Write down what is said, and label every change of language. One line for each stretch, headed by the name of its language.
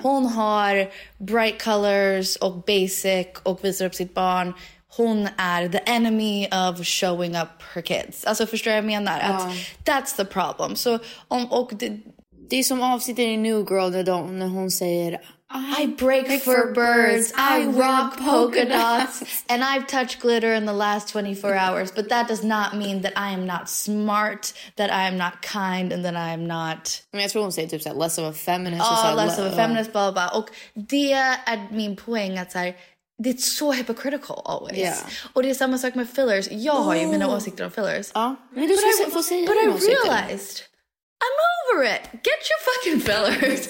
Swedish: Hon har
English: bright colors
Swedish: och basic och visar upp sitt barn. Hon är
English: the enemy of showing up her kids.
Swedish: Alltså förstår jag menar? Att
English: that's the problem.
Swedish: Så, och det är som avsnittet i New Girl när hon säger...
English: I break for birds, I rock polka dots, and I've touched glitter in the last 24 hours. But that does not mean that I am not smart, that I am not kind, and that I am not... I mean,
Swedish: jag tror hon säger typ såhär,
English: less of a feminist. Ja, oh, less of a feminist, blah, blah, blah.
Swedish: Och det är min poäng att såhär, det är så
English: hypocritical always. Yeah.
Swedish: Och det är samma sak med fillers. Jag har ju mina åsikter om fillers. Ja, men du ska få säga dina åsikter.
English: But I realized... I'm over it. Get your fucking fillers.